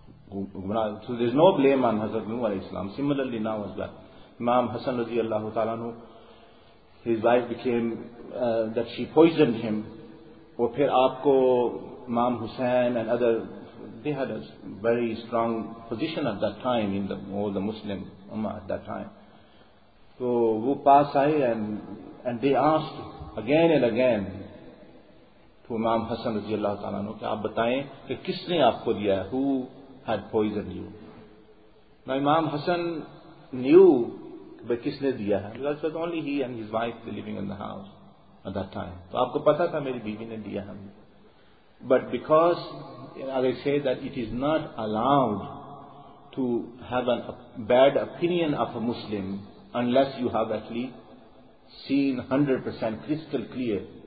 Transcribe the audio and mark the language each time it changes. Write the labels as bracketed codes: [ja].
[en] So there is no blame on Hazrat Nuh alayhi salam. Similarly now as well, Imam Hassan رضی اللہ تعالیٰ عنہ, his wife became that she poisoned him. [ur] اور پھر آپ کو [en] Imam Hussain and other, they had a very strong position at that time in all the Muslim Ummah at that time. So [ur] وہ پاس آئے [en] and they asked again and again to Imam Hassan رضی اللہ تعالیٰ عنہ [ur] کہ آپ بتائیں کہ کس نے آپ کو دیا ہے, [en] who had poisoned you. Now Imam Hassan knew by [ur] kis ne diya hai, [en] because it was only he and his wife living in the house at that time. So [ur] aapko pata tha meri biwi ne diya hai. [en] But because, as I say, that it is not allowed to have a bad opinion of a Muslim unless you have actually seen 100% crystal clear.